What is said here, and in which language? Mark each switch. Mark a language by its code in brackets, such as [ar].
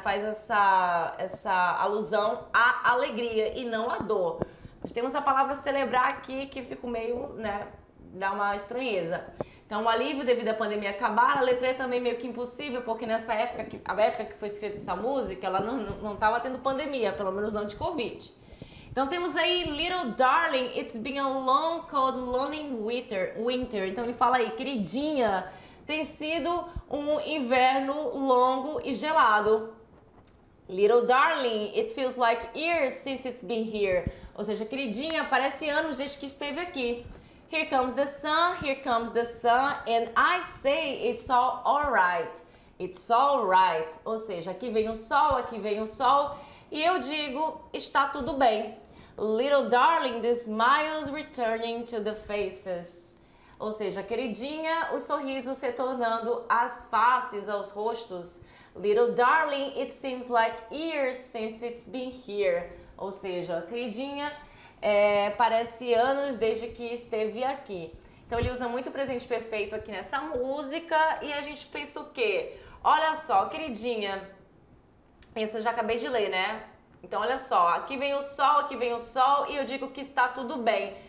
[pt] Faz essa alusão à alegria e não à dor. Mas temos a palavra celebrar aqui que fico meio, né? Dá uma estranheza. Então, o alívio devido à pandemia acabar, a letra é também meio que impossível, porque nessa época, a época que foi escrita essa música, ela não estava tendo pandemia, pelo menos não de Covid. Então, temos aí, [en] Little Darling, it's been a long, cold, lonely winter. [pt] Então, ele fala aí, queridinha, tem sido um inverno longo e gelado. [en] Little darling, it feels like years since it's been here. [pt] Ou seja, queridinha, parece anos desde que esteve aqui. [en] Here comes the sun, and I say it's all right. It's all right. [pt] Ou seja, aqui vem o sol, e eu digo, está tudo bem. [en] Little darling, the smiles returning to the faces. [pt] Ou seja, queridinha, os sorrisos retornando às faces, aos rostos. [en] Little darling, it seems like years since it's been here. [pt] Ou seja, queridinha, parece anos desde que esteve aqui. Então ele usa muito presente perfeito aqui nessa música e a gente pensa o quê? Olha só, queridinha, isso eu já acabei de ler, né? Então olha só, aqui vem o sol e eu digo que está tudo bem.